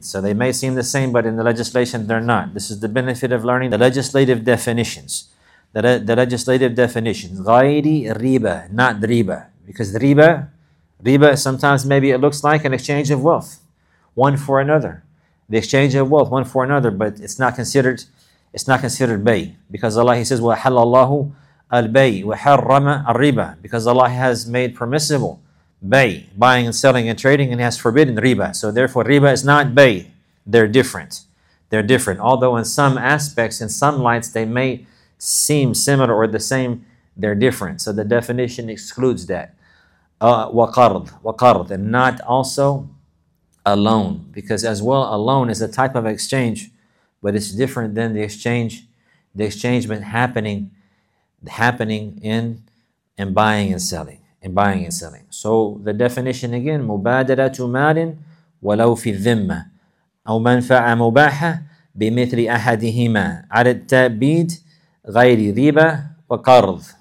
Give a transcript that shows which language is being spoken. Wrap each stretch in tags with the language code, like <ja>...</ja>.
<en>So they may seem the same, but in the legislation they're not. This is the benefit of learning the legislative definitions. The legislative definition, غَيْرِ riba, not riba. Because riba sometimes maybe it looks like an exchange of wealth, one for another. The exchange of wealth, one for another, but it's not considered bay.</en> <ar>Because Allah, he says, وَحَلَّ اللَّهُ الْبَيْءِ وَحَرَّمَ الْرِبَى.</ar> <en>Because Allah has made permissible bay, buying and selling and trading, and has forbidden riba. So therefore riba is not bay. They're different. Although in some aspects, in some lights, they may seem similar or the same, they're different. So the definition excludes that. Waqard, and not also a loan. Because as well, a loan is a type of exchange, but it's different than the exchange happening in buying and selling.</en> <ar>So the definition again, مُبَادَلَةُ مَالٍ وَلَوْ فِي الذِّمَّةِ أَوْ مَنْفَعَ مُبَاحَ بِمِثْلِ أَحَدِهِمَا عَلَى التَّأْبِيدِ غَيْرِ رِبَى وَقَرْضِ.</ar>